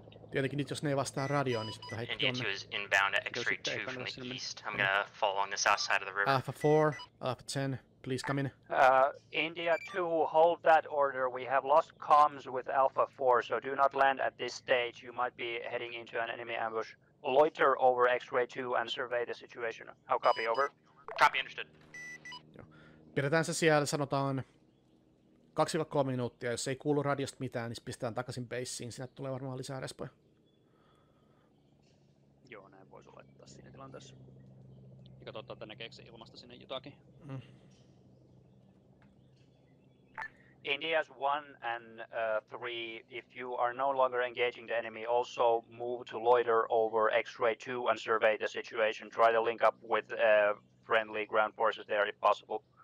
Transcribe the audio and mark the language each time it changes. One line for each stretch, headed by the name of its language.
Finnish: Tietenkin nyt jos ne ei vastaa radioon, niin sitten heitti tuonne.
English: India 2 is inbound at X-ray 2 from the east. I'm gonna fall on the south side of the river. Alpha 4, Alpha 10, please come in. India 2, hold that order. We have lost comms with Alpha 4, so do not land at this stage. You might be heading into an enemy ambush. Loiter over X-ray 2 and survey the situation. How copy, over? Copy, understood.
Finnish: Pidetään se siellä, sanotaan 2-3 minuuttia, jos ei kuulu radiosta mitään, niin pistetään takaisin baseen. Sinne tulee varmaan lisää respoja. Joo, näin voisi laittaa siinä tilanteessa. Ja katsotaan, että näkeekö se ilmasta sinne jotakin.
English: India's 1 and 3, if you are no longer engaging the enemy, also move to loiter over X-ray 2 and survey the situation. Try to link up with friendly ground forces there if possible.